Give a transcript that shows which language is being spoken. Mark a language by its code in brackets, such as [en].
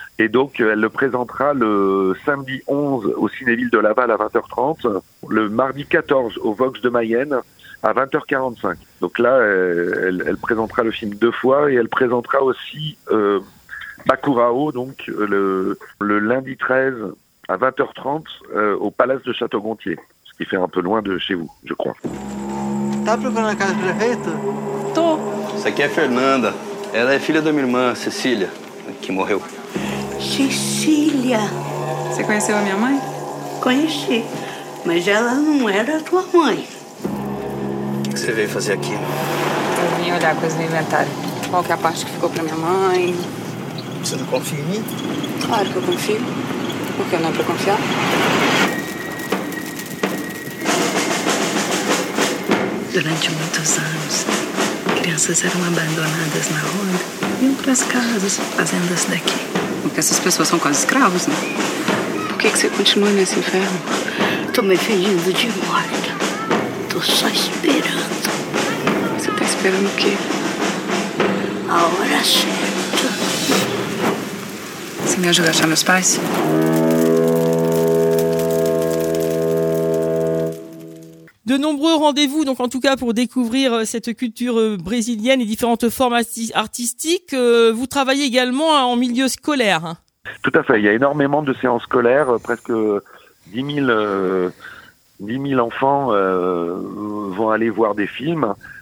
[fr] Et donc, elle le présentera le samedi 11 au Cinéville de Laval à 20h30, le mardi 14 au Vox de Mayenne à 20h45. Donc là, elle présentera le film deux fois, et elle présentera aussi Bakurao, donc le lundi 13 à 20h30 au Palace de Château-Gontier. Il fait un peu loin de chez vous, je crois. [pt] Tá procurando a casa do prefeito? Tô. Essa aqui é a Fernanda. Ela é filha da minha irmã, Cecília, que morreu. Cecília! Você conheceu a minha mãe? Conheci. Mas ela não era a tua mãe. O que você veio fazer aqui? Eu vim olhar a coisa no inventário. Qual que é a parte que ficou pra minha mãe? Você não confia em mim? Claro que eu confio. Por que não é pra confiar? Durante muitos anos, crianças eram abandonadas na rua e iam para as casas, fazendas daqui. Porque essas pessoas são quase escravos, né? Por que você continua nesse inferno? Tô me fingindo de morta. Tô só esperando. Você tá esperando o quê? A hora certa. Você me ajuda a achar meus pais? [fr] De nombreux rendez-vous, donc en tout cas pour découvrir cette culture brésilienne et différentes formes artistiques. Vous travaillez également en milieu scolaire. Tout à fait, il y a énormément de séances scolaires. Presque 10 000 enfants vont aller voir des films.